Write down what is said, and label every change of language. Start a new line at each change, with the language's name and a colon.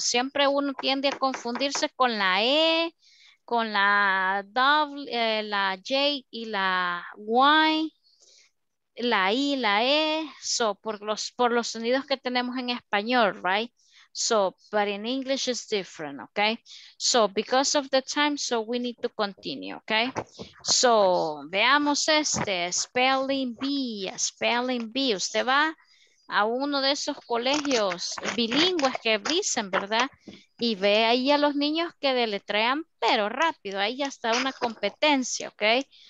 Spanish: Siempre uno tiende a confundirse con la E, con la W, la J y la Y, la I, la E. So, por los sonidos que tenemos en español, right?
English: So, but in English it's different, okay? So, because of the time, so we need to continue, okay?
Spanish: So, veamos este, spelling bee, usted va a uno de esos colegios bilingües que dicen, ¿verdad? Y ve ahí a los niños que deletrean, pero rápido, ahí ya está una competencia, okay?